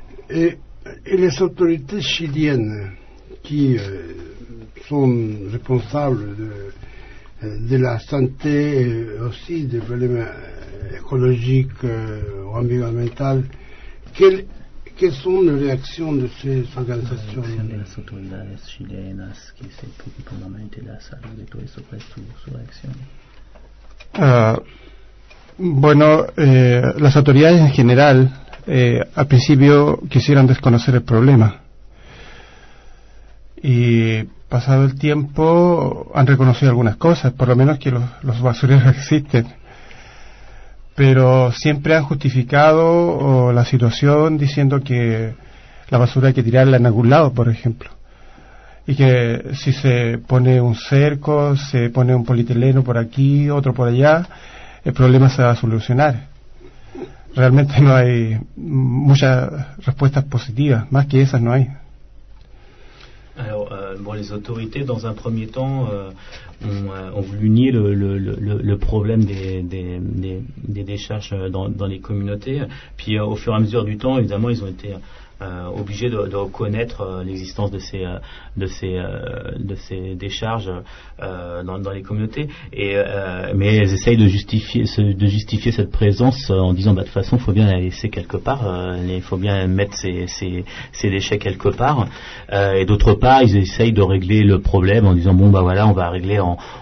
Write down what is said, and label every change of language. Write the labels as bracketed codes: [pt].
[fr] Et les autorités chiliennes qui sont responsables de la santé et aussi des problèmes écologiques ou environnementaux, quelles sont les réactions de ces organisations? Les autorités chiliennes qui se préoccupent vraiment de la santé de tous ces réactions. [es] Las autoridades en general al principio quisieron desconocer el problema y pasado el tiempo han reconocido algunas cosas, por lo menos que los basureros existen. Pero siempre han justificado la situación diciendo que la basura hay que tirarla en algún lado, por ejemplo. Y que si se pone un cerco, se pone un polietileno por aquí, otro por allá, el problema se va a solucionar. Realmente no hay muchas respuestas positivas, más que esas no hay. [fr] Les autorités, dans un premier temps, ont voulu nier le problème des décharges dans les communautés. Puis, au fur et à mesure du temps, évidemment, ils ont été obligé de reconnaître l'existence de ces décharges dans les communautés, mais elles essayent de justifier cette présence en disant de toute façon il faut bien la laisser quelque part, il faut bien mettre ces déchets quelque part, et d'autre part ils essayent de régler le problème en disant bon bah voilà, on va régler en